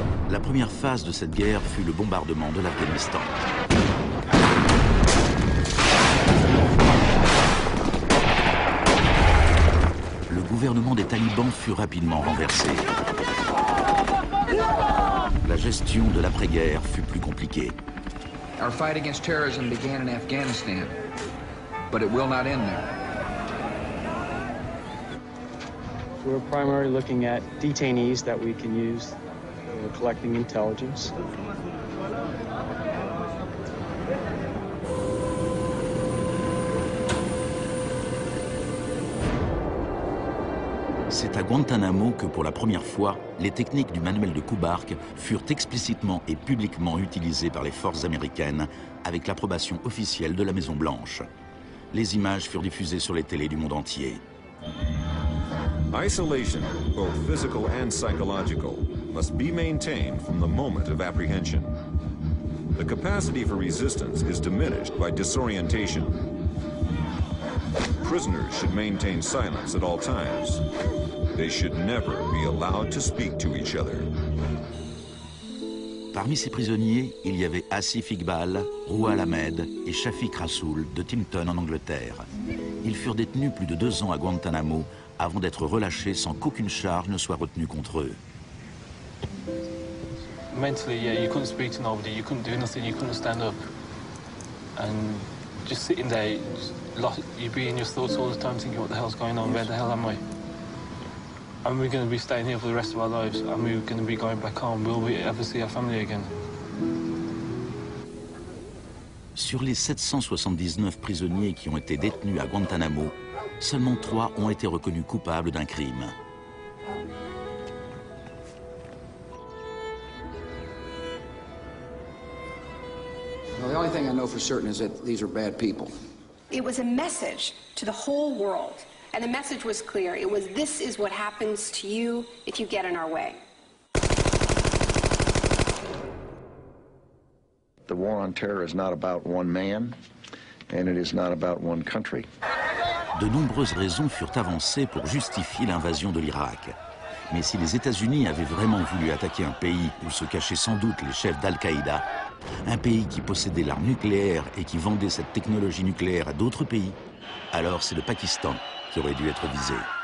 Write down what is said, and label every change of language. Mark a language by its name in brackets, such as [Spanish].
[French] La première phase de cette guerre fut le bombardement de l'Afghanistan. Le gouvernement des talibans fut rapidement renversé. La gestion de l'après-guerre fut plus compliquée. [English] Our fight against terrorism began in Afghanistan, but it will not end there. We're primarily looking at detainees that we can use. We're collecting intelligence. [French] C'est à Guantanamo que, pour la première fois, les techniques du manuel de Koubark furent explicitement et publiquement utilisées par les forces américaines avec l'approbation officielle de la Maison Blanche. Les images furent diffusées sur les télés du monde entier. [English] Isolation, both physical and psychological, must be maintained from the moment of apprehension. The capacity for resistance is diminished by disorientation. Prisoners should maintain silence at all times. They should never be allowed to speak to each other. [French] Parmi ces prisonniers, il y avait Asif Iqbal, Rouhal Ahmed et Shafiq Rasoul de Timpton en Angleterre. Ils furent détenus plus de 2 ans à Guantanamo avant d'être relâchés sans qu'aucune charge ne soit retenue contre eux. [English] Mentally, yeah, you couldn't speak to nobody, you couldn't do nothing, you couldn't stand up. And just sitting there, you'd be in your thoughts all the time thinking what the hell's going on, where the hell am I? And we're going to be staying here for the rest of our lives. And we're going to be going back home. Will we ever see our family again? [French] Sur les 779 prisonniers qui ont été détenus à Guantanamo, seulement 3 ont été reconnus coupables d'un crime. [English] Well, the only thing I know for certain is that these are bad people. It was a message to the whole world. And the message was clear. It was, this is what happens to you if you get in our way. The war on terror is not about one man, and it is not about one country. [French] De nombreuses raisons furent avancées pour justifier l'invasion de l'Irak. Mais si les États-Unis avaient vraiment voulu attaquer un pays où se cachaient sans doute les chefs d'Al-Qaïda, un pays qui possédait l'arme nucléaire et qui vendait cette technologie nucléaire à d'autres pays, alors c'est le Pakistan qui aurait dû être visé.